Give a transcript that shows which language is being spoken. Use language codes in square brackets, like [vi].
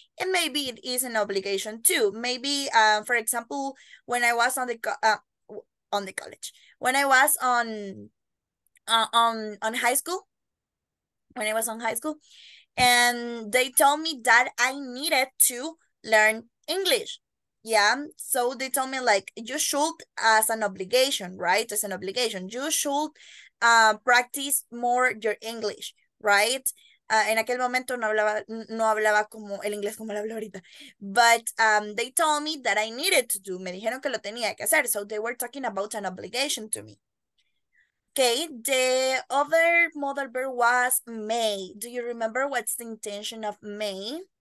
[en] And maybe it is an obligation too. Maybe, for example, when I was on the college, when I was on high school, when I was on high school, and they told me that I needed to learn English. Yeah, so they told me, like, you should, as an obligation, right? As an obligation, you should practice more your English, right? [es] En aquel momento no hablaba como el inglés como lo hablo ahorita. [en] But they told me that I needed to do. [es] Me dijeron que lo tenía que hacer. [en] So they were talking about an obligation to me. Okay, the other modal verb was may. Do you remember what's the intention of may?